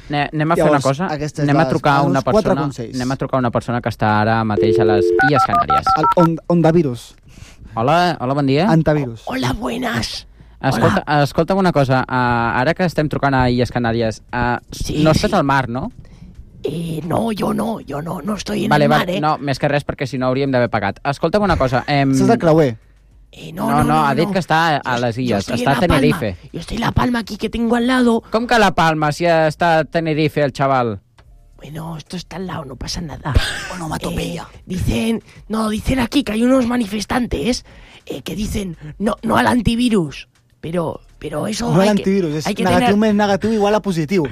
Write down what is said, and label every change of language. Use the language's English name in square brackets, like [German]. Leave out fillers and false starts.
[Catalan] Anem a fer una cosa, anem a trucar una persona que està ara mateix a les Illes Canàries. Ondavirus. Hola, bon dia. Antavirus. [Spanish] Hola, buenas. [Catalan] Escolta una cosa, ara que estem trucant a Illes Canàries, no estàs al mar, no? [Spanish] No, jo no estoy en el mar, eh? [Catalan] No, més que res, perquè si no hauríem d'haver pagat. Escolta'm una cosa... Estàs de creuer. No, ha dit que està a les Illes, està a Tenerife. [Spanish] Yo estoy la Palma aquí que tengo al lado. [Catalan] Com que la Palma, si està a Tenerife el xaval? [Spanish] Bueno, esto está al lado, no pasa nada. Onomatopeya. Dicen aquí que hay unos manifestantes que dicen no al antivirus, pero eso... No al antivirus, es negativo menos negativo igual a positivo.